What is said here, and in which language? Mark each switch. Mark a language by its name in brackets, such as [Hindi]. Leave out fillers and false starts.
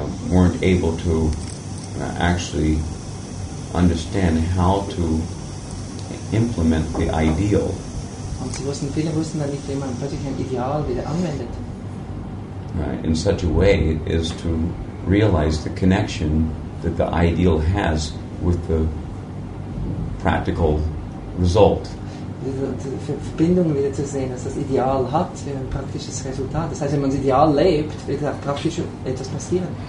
[English] Weren't able to actually understand how to implement the ideal. [German] Und sie wussten, viele wussten dann nicht, wie man plötzlich ein Ideal wieder anwendet. [English] In such a way is to realize the connection that the ideal has with the practical result. [German] Die Verbindung wieder zu sehen, dass das Ideal hat für ein praktisches Resultat. Das heißt, wenn man das Ideal lebt, wird auch praktisch etwas passieren.